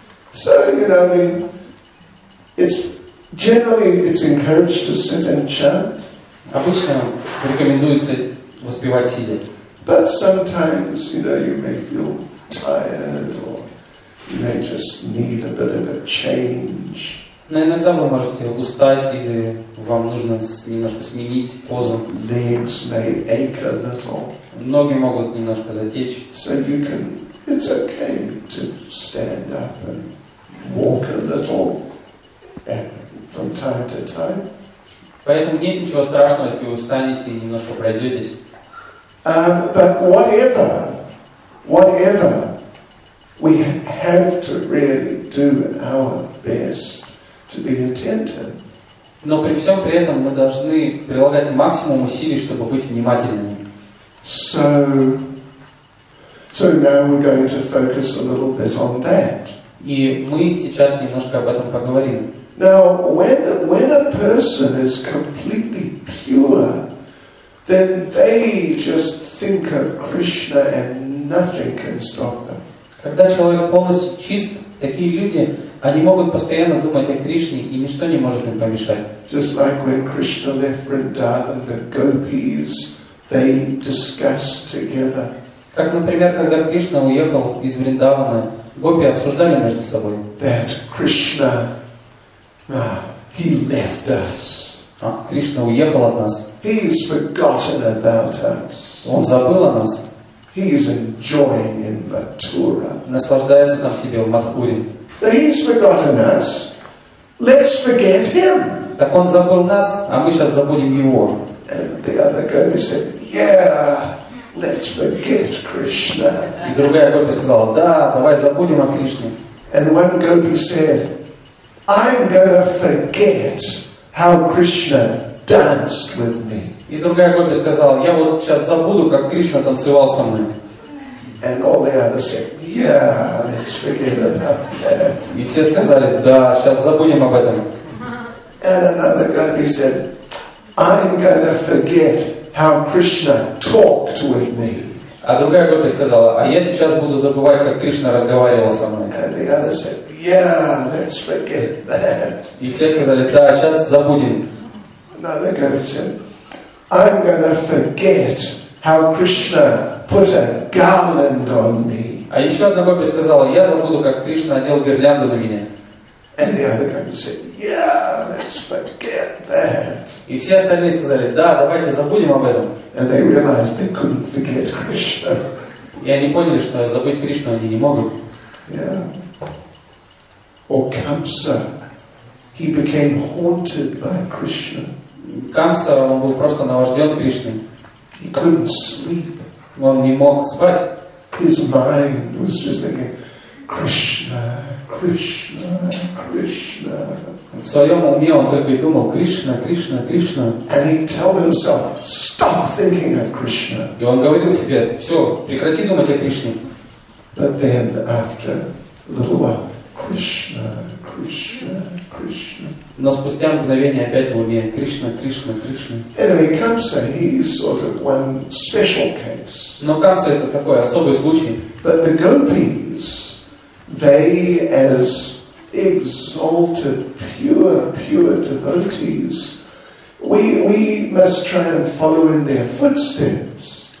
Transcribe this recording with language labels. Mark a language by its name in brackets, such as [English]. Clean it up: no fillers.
[English] So, you know, I mean, it's generally it's encouraged to sit and chant. [Russian] Обычно рекомендуется воспевать сидя. [English] But sometimes, you know, you may feel tired or you may just need a bit of a change. [Russian] Но иногда вы можете устать или вам нужно немножко сменить позу. [English] Legs may ache a little. [Russian] Ноги могут немножко затечь. [English] So you can, it's okay to stand up and walk a little from time to time. [Russian] Поэтому нет ничего страшного, если вы встанете и немножко пройдетесь. [English] But whatever, we have to really do our best to be attentive. [Russian] Но при всем при этом мы должны прилагать максимум усилий, чтобы быть внимательными. [English] So now we're going to focus a little bit on that. [Russian] И мы сейчас немножко об этом поговорим. [English] Now, when a person is completely pure, then they just think of Krishna and nothing can stop them. [Russian] Когда человек полностью чист, такие люди, они могут постоянно думать о Кришне, и ничто не может им помешать. [English] Just like when Krishna left Vrindavan, the gopis, they discussed together. [Russian] Как, например, когда Кришна уехал из Вриндавана, гопи обсуждали между собой. [English] That Krishna, he left us. [Russian] Кришна уехал от нас. [English] He's forgotten about us. [Russian] Он забыл о нас. [English] He is enjoying in Mathura. [Russian] Наслаждается там себе в Мадхуре. [English] So he's forgotten us. Let's forget him. [Russian] Так он забыл нас, а мы сейчас забудем его. [English] And the other Gopi said, yeah, let's forget Krishna. [Russian] И другая Гопи сказала, да, давай забудем о Кришне. [English] And one Gopi said, I'm gonna forget how Krishna danced with me. [Russian] И другая Гопи сказала, я вот сейчас забуду, как Кришна танцевал со мной. [English] And all the others said, yeah, let's forget about that. [Russian] И все сказали, да, сейчас забудем об этом. [English] And another Gopi said, I'm gonna forget how Krishna talked with me. [Russian] А другая Гопи сказала, а я сейчас буду забывать, как Кришна разговаривал со мной. [English] And the other said, yeah, let's forget that. [Russian] И все сказали, да, сейчас забудем. [English] Another Gopi said, I'm gonna forget how Krishna put a garland on me. [Russian] А еще одна Гопи сказала, я забуду, как Кришна одел гирлянду на меня. [English] And the other Gopi said, yeah, let's forget that. [Russian] И все остальные сказали, да, давайте забудем об этом. [English] And they realized they couldn't forget Krishna. [Russian] И они поняли, что забыть Кришну они не могут. [English] Yeah. Or Kamsa, he became haunted by Krishna. [Russian] Камса, он был просто наваждён Кришной. [English] He couldn't sleep. [Russian] Он не мог спать. [English] His mind was just thinking, Krishna, Krishna, Krishna. [Russian] В своём уме он только и думал, Кришна, Кришна, Кришна. [English] And he told himself, stop thinking of Krishna. [Russian] И он говорил себе, всё, прекрати думать о Кришне. [English] But then, after a little while, Krishna, Krishna, Krishna. [Russian] Но спустя мгновение опять в уме Кришна, Кришна, Кришна. [English] Anyway, Kamsa, he's sort of one special case. [Russian] Но Камса это такой особый случай. [English] But the gopis, they as exalted, pure, pure devotees, we must try and follow in their footsteps.